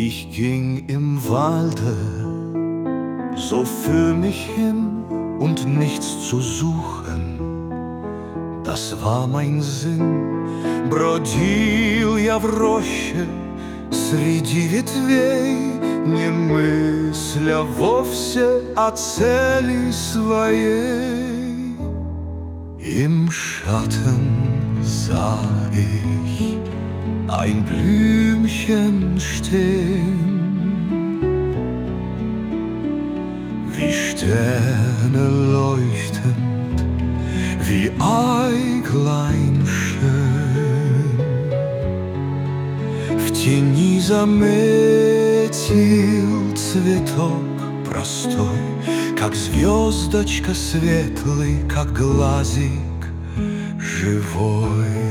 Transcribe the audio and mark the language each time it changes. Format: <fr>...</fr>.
<de>ging im Walde so für mich hin und nichts zu suchen. Das war mein Sinn.</de> <ru>Бродил я в роще среди ветвей, не мысля вовсе о цели своей.</ru> <de>Im Schatten sah ich ein Blümchen stehen, wie Sterne leuchtend, wie Äuglein schön.</de> <ru>В тени заметил цветок простой, как звездочка светлый, как глазик живой.</ru>